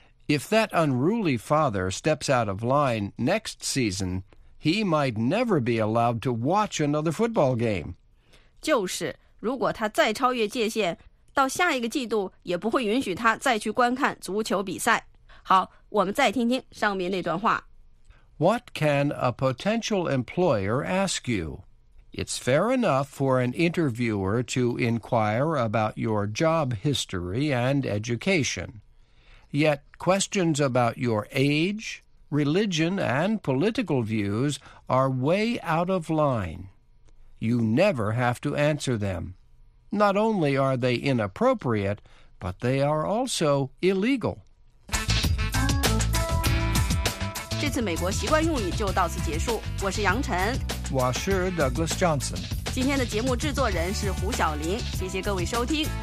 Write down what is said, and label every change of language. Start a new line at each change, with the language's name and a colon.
English: If that unruly father steps out of line next season, he might never be allowed to watch another football game.
Chinese: 就是如果他再超越界限，到下一个季度也不会允许他再去观看足球比赛。好，我们再听听上面那段话。
English: What can a potential employer ask you? It's fair enough for an interviewer to inquire about your job history and education. Yet questions about your age, religion, and political views are way out of line. You never have to answer them. Not only are they inappropriate, but they are also illegal.
Chinese: 这次美国习惯用语就到此结束。我是杨晨。我是 Douglas Johnson。今天的节目制作人是胡晓玲，谢谢各位收听。